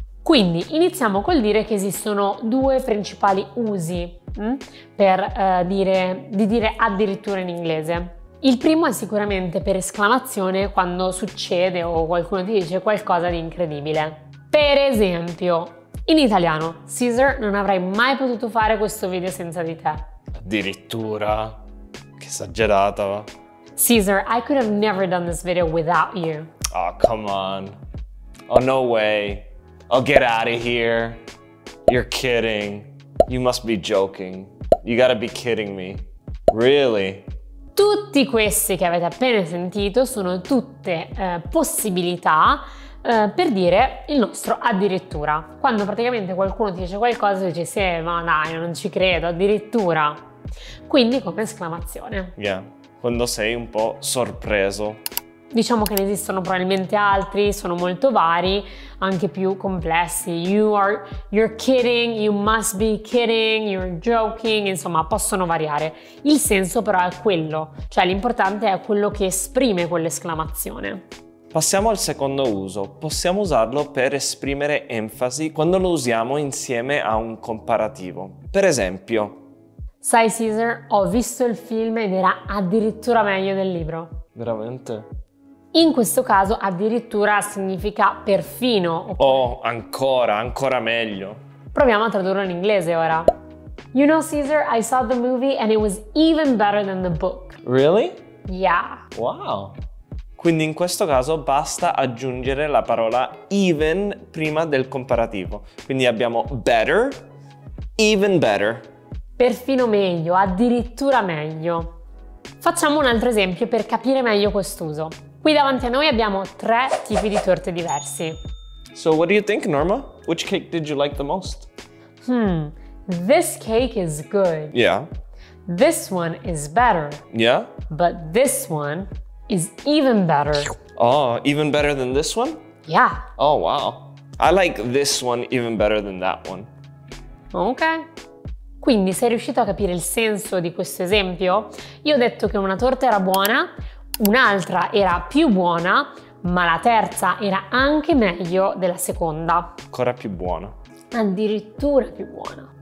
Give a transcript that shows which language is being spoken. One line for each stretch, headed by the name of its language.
Italian: Quindi iniziamo col dire che esistono due principali usi per dire addirittura in inglese. Il primo è sicuramente per esclamazione, quando succede o qualcuno ti dice qualcosa di incredibile. Per esempio, in italiano, Caesar, non avrei mai potuto fare questo video senza di te. Addirittura? Che esagerata.
English: Caesar, I could have never done this video without you. Oh, come on. Oh, no way. Oh, get out of here. You're kidding. You must be joking. You gotta be kidding me. Really?
Italian: Tutti questi che avete appena sentito sono tutte possibilità per dire il nostro addirittura. Quando praticamente qualcuno ti dice qualcosa, dici sì, ma dai, non ci credo, addirittura. Quindi come esclamazione.
English: Yeah.
Italian: Quando sei un po' sorpreso. Diciamo che ne esistono probabilmente altri, sono molto vari, anche più complessi.
English: You're kidding, you must be kidding, you're joking,
Italian: insomma, possono variare. Il senso però è quello, cioè l'importante è quello che esprime quell'esclamazione. Passiamo al secondo uso. Possiamo usarlo per esprimere enfasi quando lo usiamo insieme a un comparativo. Per esempio, sai Caesar, ho visto il film ed era addirittura meglio del libro. Veramente? In questo caso addirittura significa perfino.
English: Okay.
Italian: Oh, ancora, ancora meglio. Proviamo a tradurlo in inglese ora.
English: You know Caesar, I saw the movie and it was even better than the book. Really? Yeah. Wow.
Italian: Quindi in questo caso basta aggiungere la parola even prima del comparativo. Quindi abbiamo
English: better, even better.
Italian: Perfino meglio, addirittura meglio. Facciamo un altro esempio per capire meglio quest'uso. Qui davanti a noi abbiamo tre tipi di torte diversi.
English: So what do you think, Norma? Which cake did you like the most? This cake is good. Yeah. This one is better. Yeah. But this one is even better. Oh, even better than this one? Yeah. Oh, wow. I like this one even better than that one. Okay.
Italian: Quindi sei riuscito a capire il senso di questo esempio? Io ho detto che una torta era buona, un'altra era più buona, ma la terza era anche meglio della seconda. Ancora più buona. Addirittura più buona.